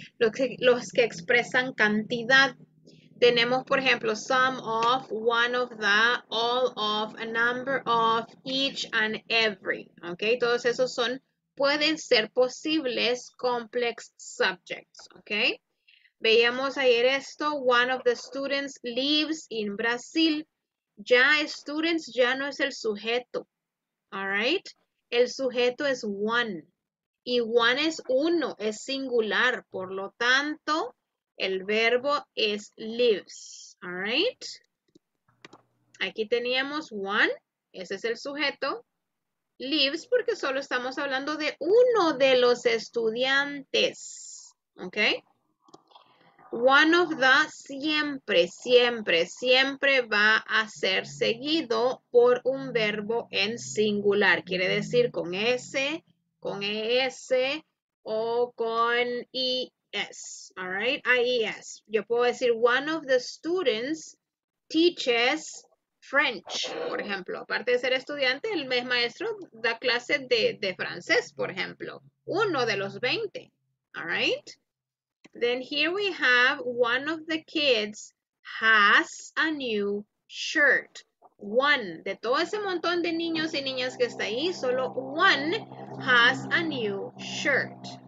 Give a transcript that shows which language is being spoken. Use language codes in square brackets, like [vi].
[es] Los que expresan cantidad. Tenemos, por ejemplo, [en] some of, one of the, all of, a number of, each and every, [es] ¿ok? Todos esos son, pueden ser posibles complex subjects, ¿ok? Veíamos ayer esto, [en] one of the students lives in Brazil. [es] Ya students ya no es el sujeto. All right, el sujeto es one, y one es uno, es singular, por lo tanto, el verbo es lives, all right. Aquí teníamos one, ese es el sujeto, lives porque solo estamos hablando de uno de los estudiantes. ¿Ok? [en] One of the [es] siempre, siempre, siempre va a ser seguido por un verbo en singular. Quiere decir con S, con ES o con IS. All right? IES. Yo puedo decir [en] one of the students teaches French, [es] por ejemplo. Aparte de ser estudiante, el maestro da clases de francés, por ejemplo. Uno de los 20. All right? [en] Then here we have one of the kids has a new shirt. One. [es] De todo ese montón de niños y niñas que está ahí, solo [en] one has a new shirt.